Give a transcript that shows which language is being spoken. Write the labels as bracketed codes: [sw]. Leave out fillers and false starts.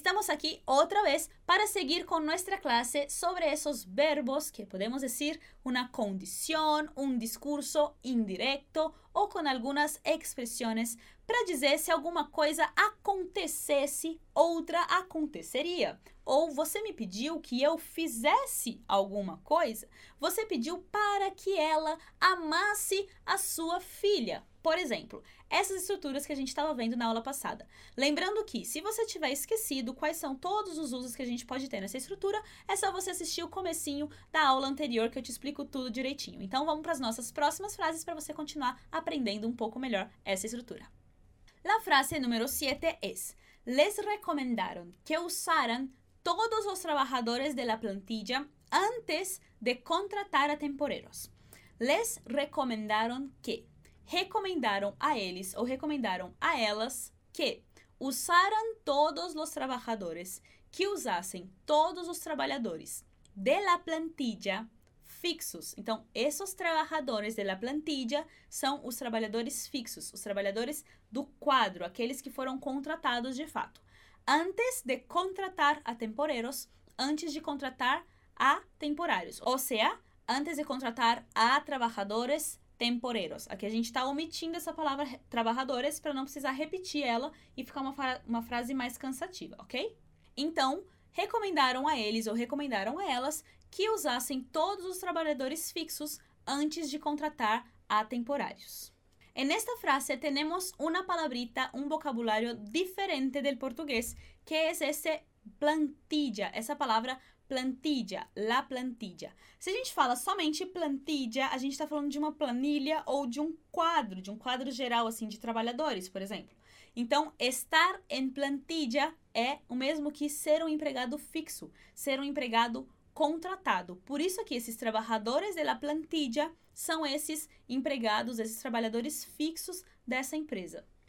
[es] aquí otra vez para seguir con nuestra clase sobre esos verbos que podemos decir una condición, un discurso indirecto o con algunas expresiones para decir si alguna cosa acontecesse, otra acontecería. [pt] O você me pediu que eu fizesse alguma coisa, você pediu para que ela amasse a sua filha. Por exemplo, essas estruturas que a gente estava vendo na aula passada. Lembrando que, se você tiver esquecido quais são todos os usos que a gente pode ter nessa estrutura, é só você assistir o comecinho da aula anterior que eu te explico tudo direitinho. Então, vamos para as nossas próximas frases para você continuar aprendendo um pouco melhor essa estrutura. [es] La frase número 7 es: les recomendaron que usaran todos los trabajadores de la plantilla antes de contratar a temporeros. Les recomendaron que... [pt] Recomendaram a eles ou recomendaram a elas que usaram todos os trabalhadores, que usassem todos os trabalhadores de la plantilla fixos. Então, esses trabalhadores de la plantilla são os trabalhadores fixos, os trabalhadores do quadro, aqueles que foram contratados de fato. [es] Antes de contratar a temporeros, [pt] antes de contratar a temporários. Ou seja, antes de contratar a trabalhadores temporeros. Aqui a gente está omitindo essa palavra trabalhadores para não precisar repetir ela e ficar uma frase mais cansativa, ok? Então, recomendaram a eles ou recomendaram a elas que usassem todos os trabalhadores fixos antes de contratar a temporários. [es] En esta frase tenemos una palabrita, un vocabulario diferente del portugués, que es ese plantilla, esa palabra plantilla, la plantilla. [pt] Se a gente fala somente plantilla, a gente está falando de uma planilha ou de um quadro geral, assim, de trabalhadores, por exemplo. Então, [es] estar en plantilla [pt] é o mesmo que ser um empregado fixo, ser um empregado contratado. Por isso que esses trabalhadores de la plantilla são esses empregados, esses trabalhadores fixos dessa empresa.